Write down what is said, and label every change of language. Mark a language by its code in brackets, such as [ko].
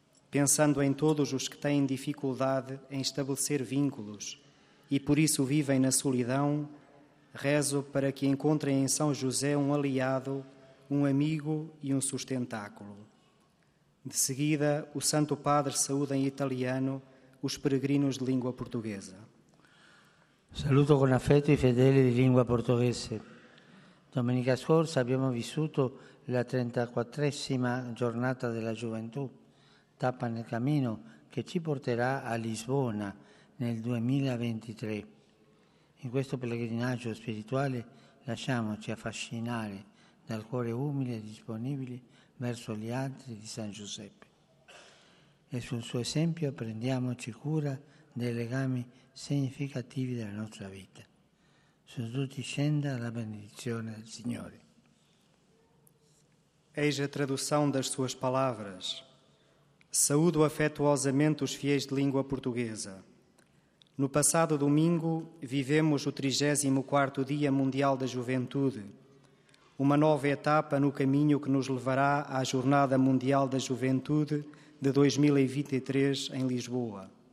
[pt] Pensando em todos os que têm dificuldade em estabelecer vínculos e por isso vivem na solidão, rezo para que encontrem em São José um aliado, um amigo e um sustentáculo. De seguida, o Santo Padre saúda em italiano os peregrinos de língua portuguesa. [it] Saluto con affetto i fedeli di lingua portoghese. Domenica scorsa abbiamo vissuto la 34ª giornata della gioventù, tappa nel cammino che ci porterà a Lisbona nel 2023. In questo pellegrinaggio spirituale lasciamoci affascinare dal cuore umile e disponibile verso gli altri di San Giuseppe. E sul suo esempio prendiamoci cura dei legami significativi della nostra vita. Su tutti scenda la benedizione del Signore. [pt] Eis a tradução das suas palavras. Saúdo afetuosamente os fiéis de língua portuguesa. No passado domingo, vivemos o 34º Dia Mundial da Juventude, uma nova etapa no caminho que nos levará à Jornada Mundial da Juventude de 2023 em Lisboa.